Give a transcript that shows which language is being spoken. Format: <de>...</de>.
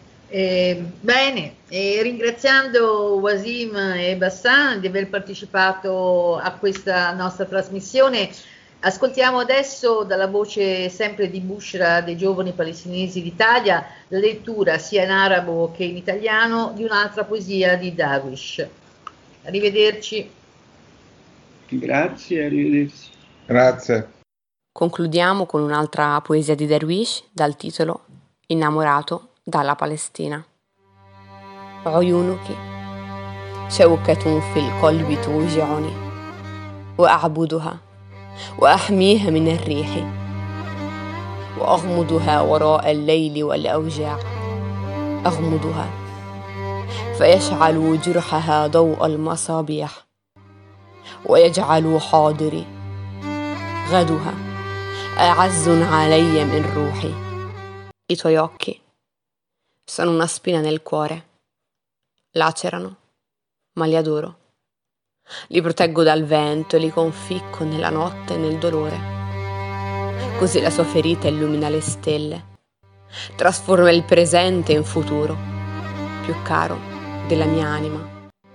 <it>Bene, e ringraziando Wasim e Bassan di aver partecipato a questa nostra trasmissione, ascoltiamo adesso dalla voce sempre di Bushra dei Giovani Palestinesi d'Italia la lettura sia in arabo che in italiano di un'altra poesia di Darwish. Arrivederci. Grazie, arrivederci. Grazie. Concludiamo con un'altra poesia di Darwish dal titolo Innamorato dalla Palestina.</it> <ar>عيونك شوكة في القلب توجعني وأعبدها وأحميها من الريح وأغمضها وراء الليل والأوجاع أغمضها فيشعل جرحها ضوء المصابيح ويجعل حاضري غدها أعز علي من روحي.</ar> <it>I tuoi occhi sono una spina nel cuore. Lacerano, ma li adoro. Li proteggo dal vento e li conficco nella notte e nel dolore. Così la sua ferita illumina le stelle, trasforma il presente in futuro, più caro della mia anima.</it>